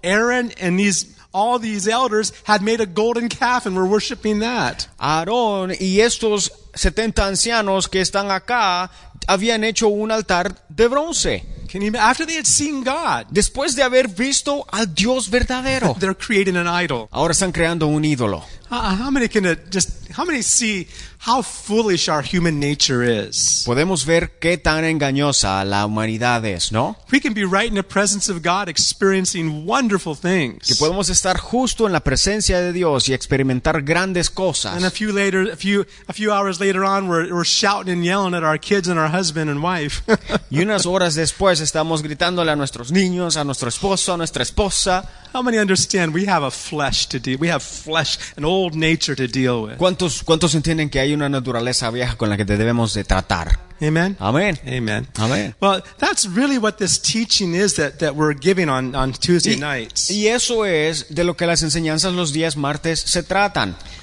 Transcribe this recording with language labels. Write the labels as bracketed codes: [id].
[en] Aaron and all these elders had made a golden calf and were worshiping that. [es] Aarón y estos 70 ancianos que están acá habían hecho un altar de bronce. [en] After they had seen God, [es] después de haber visto al Dios verdadero, [en] they're creating an idol. [es] Ahora están creando un ídolo. [en] How many see how foolish our human nature is? [es] Podemos ver qué tan engañosa la humanidad es, ¿no? [en] We can be right in the presence of God, experiencing wonderful things. [es] Que podemos estar justo en la presencia de Dios y experimentar grandes cosas. [en] And a few hours later on, we're shouting and yelling at our kids and our husband and wife. [es] Y unas horas después estamos gritándole a nuestros niños, a nuestro esposo, a nuestra esposa. [en] How many understand we have a flesh to deal? We have flesh, an old nature to deal with. [es] ¿Cuántos entienden que hay una naturaleza vieja con la que debemos de tratar? [en] Amen. [es] Amen. [en] Amen. [es] Amen. [en] Well, that's really what this teaching is that we're giving on Tuesday nights. [es] Y eso es de lo que las enseñanzas los días martes se tratan.